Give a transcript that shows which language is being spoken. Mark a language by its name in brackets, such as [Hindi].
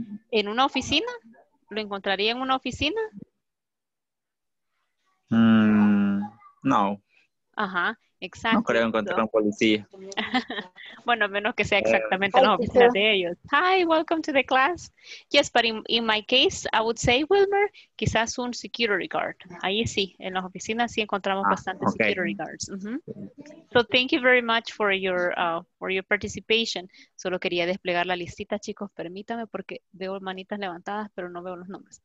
[Spanish] ¿En una oficina? ¿Lo encontraría en una oficina? No. Ajá, exacto. No creo encontrar un policía. Bueno, menos que sea exactamente la oficina de ellos. [English] Hi, welcome to the class. Yes, but in my case, I would say, Wilmer, [Spanish] quizás [English] un security guard. [Spanish] Ahí sí, en las oficinas sí encontramos bastantes security guards. Mm-hmm. [English] So thank you very much for your participation. [Spanish] Solo quería desplegar la listita, chicos. Permítame porque veo manitas levantadas, pero no veo los nombres.